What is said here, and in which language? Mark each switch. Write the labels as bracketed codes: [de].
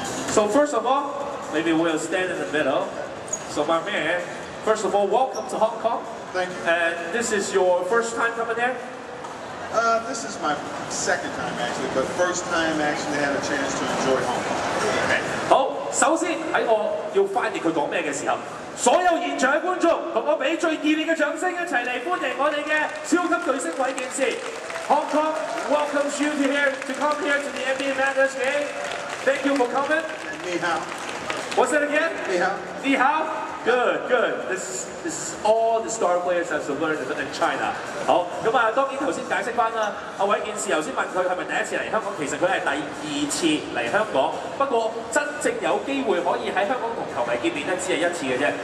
[en] So first of all, maybe we'll stand in the middle. So my man, first of all, welcome to Hong Kong. Thank you. And this is your first time coming here? This is my second time actually, but first time actually had a chance to enjoy Hong Kong. Okay. [yue] 好，首先喺我要翻譯佢講咩嘅時候，所有現場嘅觀眾同我俾最熱烈嘅掌聲，一齊嚟歡迎我哋嘅超級巨星韋健士。 [en] Hong Kong welcomes you to here to come here to the NBA Madness game. Thank you for coming. [yue] 你好。 [en] What's that again? [yue] 你好。你好。 [en] Good, good. This is all the star players have learned in China. [yue] 好，咁啊，當然頭先解釋翻啦。阿韋健士頭先問佢係咪第一次嚟香港，其實佢係第二次嚟香港。不過真正有機會可以喺香港同球迷見面咧，只係一次嘅啫。